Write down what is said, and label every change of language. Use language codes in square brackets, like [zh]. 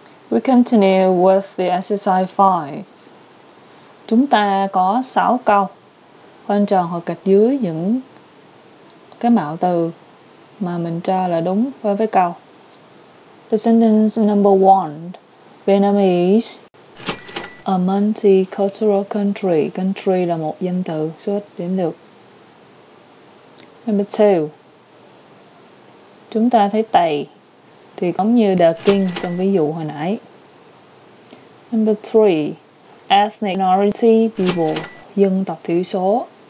[en] We continue with the exercise 5. [vi] Chúng ta có 6 câu quanh tròn hoặc gạch dưới những cái mạo từ mà mình cho là đúng với câu. [en] The sentence number 1, Vietnam is a multicultural country. [vi] Country là một danh từ, số ít điểm được. Number 2, chúng ta thấy tầy thì giống như the king trong ví dụ hồi nãy. [en] Number 3, ethnic minority people, [vi] dân tộc thiểu số.